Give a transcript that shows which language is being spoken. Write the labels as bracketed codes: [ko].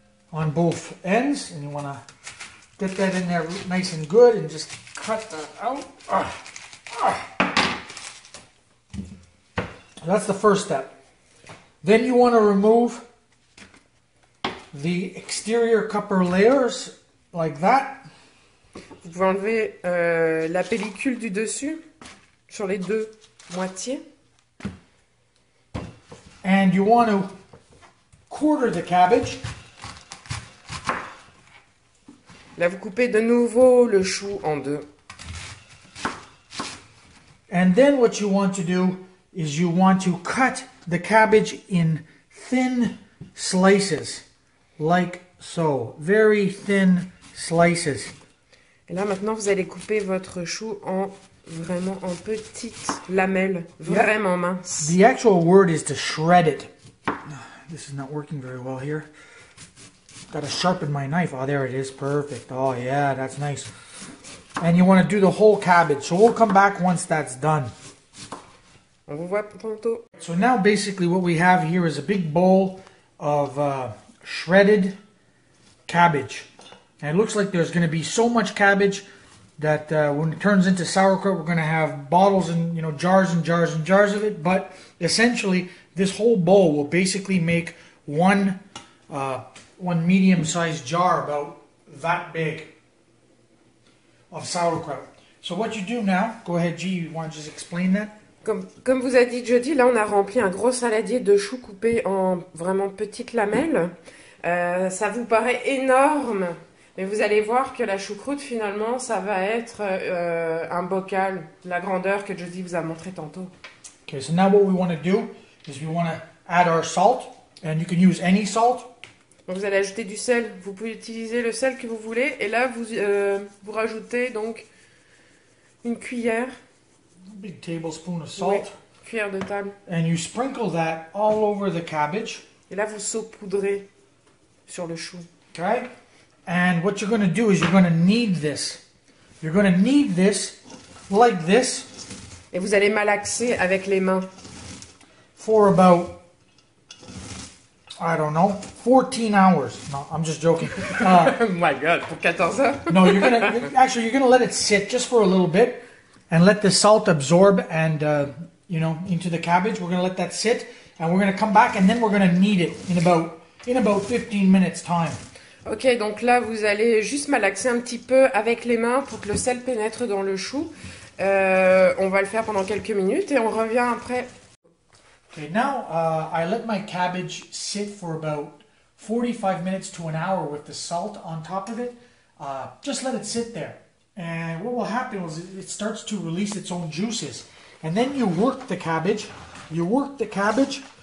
[en] On both ends, and you want to get that in there nice and good, and just cut that out. That's the first step. Then you want to remove the exterior copper layers like that. [fr] Vous pouvez enlever la pellicule du dessus sur les deux moitiés. [en] And you want to quarter the cabbage. [fr] Là, vous coupez de nouveau le chou en deux. [en] And then what you want to do is you want to cut the cabbage in thin slices, like so. Very thin slices. [fr] Et là, maintenant, vous allez couper votre chou en vraiment en petites lamelles, vraiment minces. [en] The actual word is to shred it. This is not working very well here. Gotta sharpen my knife. Oh, there it is. Perfect. Oh, yeah, that's nice. And you want to do the whole cabbage. So we'll come back once that's done. [fr] On vous voit tantôt. [en] So now basically what we have here is a big bowl of shredded cabbage. And it looks like there's going to be so much cabbage that when it turns into sauerkraut, we're going to have bottles and, you know, jars and jars and jars of it. But essentially, this whole bowl will basically make one medium-sized jar about that big of sauerkraut. So what you do now, go ahead, G, you want to just explain that? [fr] Comme vous a dit Jody, là, on a rempli un gros saladier de choux coupés en vraiment petites lamelles. Ça vous paraît énorme? Mais vous allez voir que la choucroute, finalement, ça va être un bocal, la grandeur que Josie vous a montré tantôt. [en] Okay, so now what we want to do is we want to add our salt, and you can use any salt. [fr] Donc vous allez ajouter du sel. Vous pouvez utiliser le sel que vous voulez, et là vous rajoutez donc une cuillère. [en] A big tablespoon of salt. [fr] Oui, cuillère de table. [en] And you sprinkle that all over the cabbage. [fr] Et là vous saupoudrez sur le chou. [en] Okay. And what you're going to do is you're going to knead this. You're going to knead this like this. [fr] Et vous allez malaxer avec les mains. [en] For about, I don't know, 14 hours. No, I'm just joking. my God, [fr] pour 14 heures? [en] No, you're going to let it sit just for a little bit and let the salt absorb and, you know, into the cabbage. We're going to let that sit and we're going to come back and then we're going to knead it in about 15 minutes time. [fr] Ok, donc là, vous allez juste malaxer un petit peu avec les mains pour que le sel pénètre dans le chou. On va le faire pendant quelques minutes et on revient après. [en] Ok, now I let my cabbage sit for about 45 minutes to an hour with the salt on top of it. Just let it sit there. And what will happen is it starts to release its own juices. And then you work the cabbage. You work the cabbage.